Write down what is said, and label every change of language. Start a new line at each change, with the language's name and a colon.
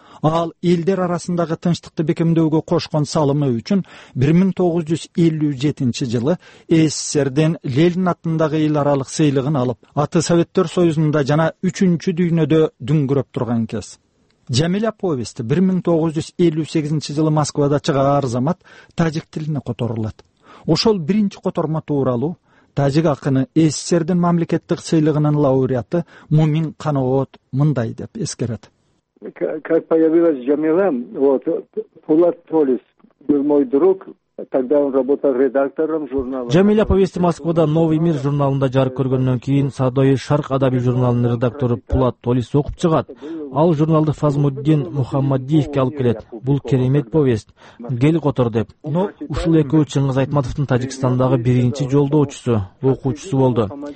Kyrgyz: Ал элдер арасындагы тынчтыкты бекемдөөгө кошкон салымы үчүн 1957 жылы СССРден Ленин атындагы эл аралык сыйлыгын алып, аты Советтер Союзунда жана 3-чү дүйнөдө дүңгүрөп турган кез. Жамиля повести 1958 жылы Москвада чыгар замат тажик тилине которулат. Ошол биринчи которма тууралуу тажик акыны СССРдин мамлекеттик сыйлыгынын лауреаты Мумин Каноот мындай деп эскерет.
Russian: Как появилась Джамиля, вот Пулат Толис был мой друг. Тогда он работал редактором журнала.
Kyrgyz: Жамиля повести Москвада Новый мир журналында жарык көргөндөн кийин Садои Шарк адабий журналынын редактору Пулат Толис окуп чыгат. Ал журналды Фазмуддин Мухаммадиевке алып келет. Бул керемет повесть. Кел котор деп. Но ушул экөө Чыңгыз Айтматовдун Тажикстандагы биринчи жолдоочусу, окуучусу болду.